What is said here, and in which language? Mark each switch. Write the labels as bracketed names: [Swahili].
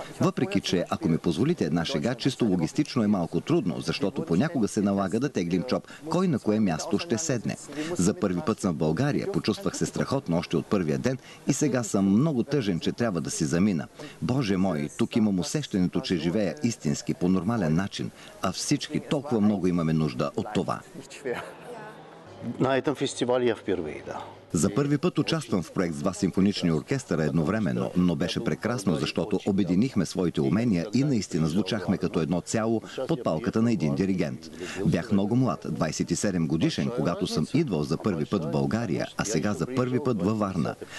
[Bulgarian] Въпреки че, ако ми позволите една шега, чисто логистично е малко трудно, защото понякога се налага да теглим чоп, кой на кое място ще седне. За първи път съм в България, почувствах се страхотно още от първия ден и сега съм много тъжен, че трябва да си замина. Боже мой, тук имам усещането, че живея истински, по нормален начин, а всички толкова много имаме нужда от това. [Russian] На этом фестивале я впервые, да. [Bulgarian] За първи път участвам в проект с два симфонични оркестъра едновременно, но беше прекрасно, защото обединихме своите умения и наистина звучахме като едно цяло под палката на един диригент. Бях много млад, 27 годишен, когато съм идвал за първи път в България, а сега за първи път във Варна.